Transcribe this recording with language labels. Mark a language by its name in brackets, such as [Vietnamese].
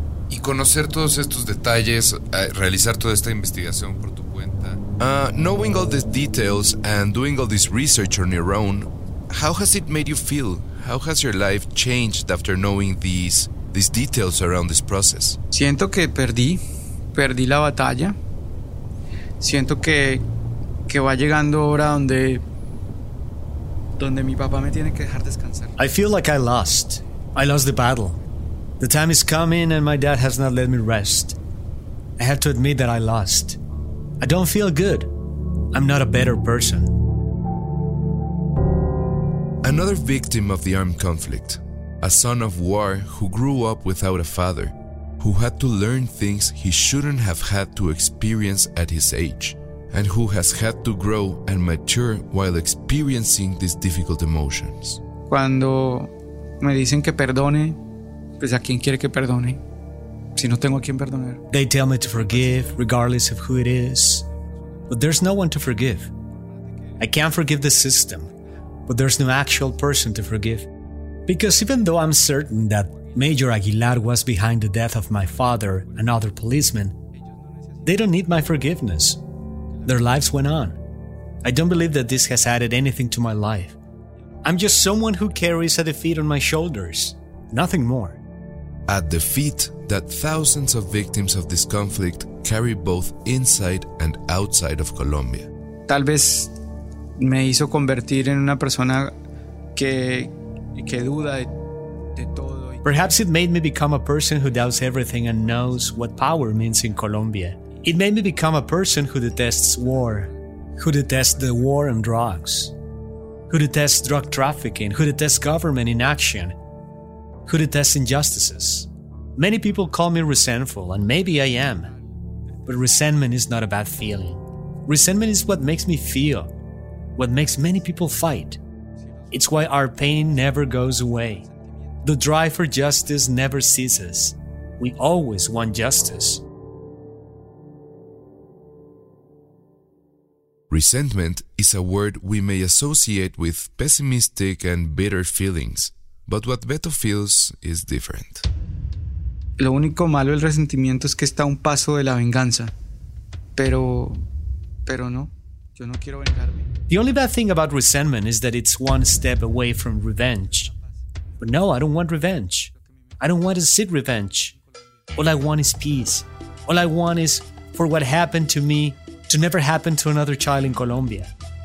[Spanish] Y conocer todos estos detalles, realizar toda esta investigación por tu cuenta. [English] Knowing all these details and doing all this research on your own, how has it made you feel? How has your life changed after knowing these details around this process? [Spanish] Siento que perdí la batalla. Siento que va llegando hora donde mi papá me tiene que dejar descansar. [English] I feel like I lost. I lost the battle. The time is coming and my dad has not let me rest. I have to admit that I lost. I don't feel good. I'm not a better person. Another victim of the armed conflict, a son of war who grew up without a father, who had to learn things he shouldn't have had to experience at his age, and who has had to grow and mature while experiencing these difficult emotions. [Spanish] Cuando me dicen que perdone, pues ¿a quién quiere que perdone? Si no tengo a quien perdonar. [English] They tell me to forgive, regardless of who it is. But there's no one to forgive. I can't forgive the system, but there's no actual person to forgive. Because even though I'm certain that Major Aguilar was behind the death of my father and other policemen, they don't need my forgiveness. Their lives went on. I don't believe that this has added anything to my life. I'm just someone who carries a defeat on my shoulders. Nothing more. A defeat that thousands of victims of this conflict carry both inside and outside of Colombia. [Spanish] Tal vez me hizo convertir en una persona que duda de todo. [English] Perhaps it made me become a person who doubts everything and knows what power means in Colombia. It made me become a person who detests war, who detests the war on drugs, who detests drug trafficking, who detests government inaction, who detests injustices. Many people call me resentful, and maybe I am. But resentment is not a bad feeling. Resentment is what makes me feel, what makes many people fight. It's why our pain never goes away. The drive for justice never ceases. We always want justice. Resentment is a word we may associate with pessimistic and bitter feelings, but what Beto feels is different. [Spanish] Lo único malo del resentimiento es que está a un paso de la venganza. Pero no, yo no quiero vengarme. [English] The only bad thing about resentment is that it's one step away from revenge. But no, I don't want revenge. I don't want to seek revenge. All I want is peace. All I want is for what happened to me to never happen to another child in Colombia.